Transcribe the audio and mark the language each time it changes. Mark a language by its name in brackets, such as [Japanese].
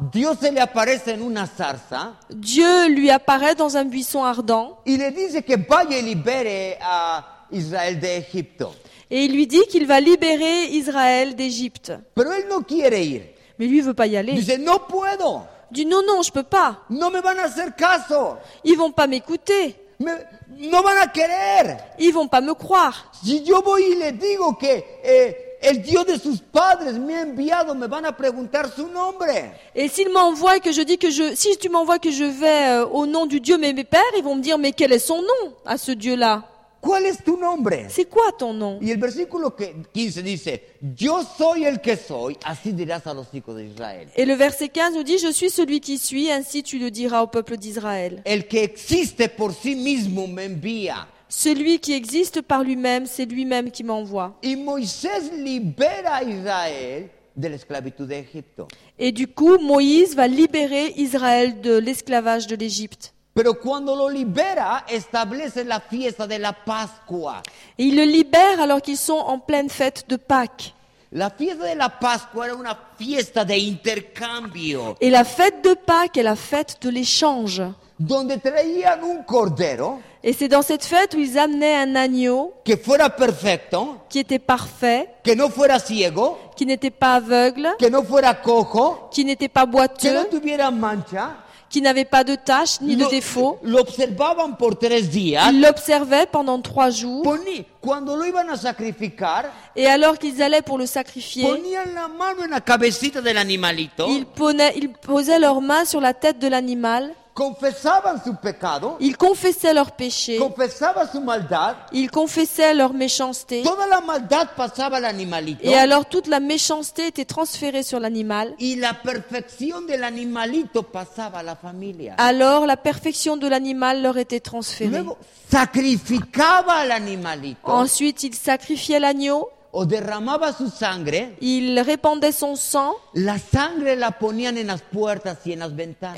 [Spanish] Dios se le aparece en una zarza, [French] Dieu lui apparaît dans un buisson ardent. Il lui dit [Spanish] que vaya y libere a Israel de Egipto. [French] Et il lui dit qu'il va libérer Israël d'Égypte. [Spanish] Pero él no quiere ir. [French] Mais lui ne veut pas y aller. [Spanish] Dice, no puedo. [French] Dit non, non, je ne peux pas. [Spanish] No me van a hacer caso. [French] Ils ne vont pas m'écouter. [Spanish] Me, no van a querer. [French] Ils ne vont pas me croire. [Spanish] Si yo voy y le digo que el Dios de sus padres me ha enviado, me van a preguntar su nombre. [French] Et s'il m'envoie que je dis que je, si tu m'envoies que je vais au nom du Dieu mais mes pères, ils vont me dire mais quel est son nom à ce Dieu-là? [Spanish] ¿Cuál es tu nombre? [French] C'est quoi ton nom? [Spanish] Y el versículo 15 dice, yo soy el que soy, así dirás a los hijos de Israel. [French] Et le verset 15 nous dit, je suis celui qui suis, ainsi tu le diras au peuple d'Israël. [Spanish] El que existe por sí mismo me envía. [French] Celui qui existe par lui-même, c'est lui-même qui m'envoie. [Spanish] Y Moisés libera a Israel de l'esclavitud de Egipto. [French] Et du coup, Moïse va libérer Israël de l'esclavage de l'Égypte. [Spanish] Pero cuando lo libera, establece la fiesta de la Pascua. [French] Et il le libère alors qu'ils sont en pleine fête de Pâques. [Spanish] La fiesta de la Pascua era una fiesta de intercambio. [French] Et la fête de Pâques est la fête de l'échange. [Spanish] Donde traían un cordero. [French] Et c'est dans cette fête où ils amenaient un agneau [Spanish] que fuera perfecto, [French] qui était parfait, [Spanish] que no fuera ciego, [French] qui n'était pas aveugle, [Spanish] que no fuera cojo, [French] qui n'était pas boiteux, [Spanish] que no tuviera mancha, [French] qui n'avait pas de tache ni de défaut. [Spanish] L'observaban por tres días, [French] ils l'observaient pendant trois jours. [Spanish] Cuando lo iban a sacrificar, [French] et alors qu'ils allaient pour le sacrifier, [Spanish] ponían la mano en la cabecita del animalito, [French] ils posaient leur main sur la tête de l'animal. [Spanish] Confesaban su pecado. [French] Ils confessaient leur péché. [Spanish] Confesaban su maldad. [French] Ils confessaient leur méchanceté. [Spanish] Toda la maldad pasaba al animalito. [French] Et alors toute la méchanceté était transférée sur l'animal. [Spanish] Y la perfección del animalito pasaba a la familia. [French] Alors la perfection de l'animal leur était transférée. [Spanish] Luego sacrificaba al animalito. [French] Ensuite ils sacrifiaient l'agneau. [Spanish] O derramaba su sangre. [French] Il répandait son sang. [Spanish] La sangre la ponían en las puertas y en las ventanas.